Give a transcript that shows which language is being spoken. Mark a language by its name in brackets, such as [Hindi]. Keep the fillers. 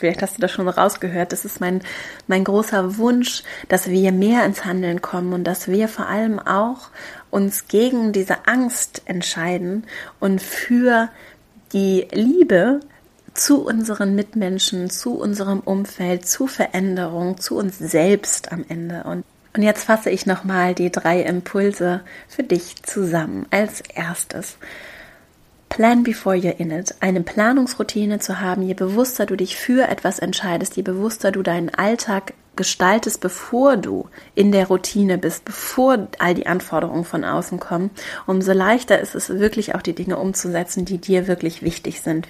[German] Vielleicht hast du das schon rausgehört. Das ist mein, mein großer Wunsch, dass wir mehr ins Handeln kommen und dass wir vor allem auch uns gegen diese Angst entscheiden und für die Liebe zu unseren Mitmenschen, zu unserem Umfeld, zu Veränderung, zu uns selbst am Ende. Und und jetzt fasse ich nochmal die drei Impulse für dich zusammen. Als erstes, [English] plan before you're in it. [German] Eine Planungsroutine zu haben, je bewusster du dich für etwas entscheidest, je bewusster du deinen Alltag gestaltest, bevor du in der Routine bist, bevor all die Anforderungen von außen kommen, umso leichter ist es wirklich auch die Dinge umzusetzen, die dir wirklich wichtig sind.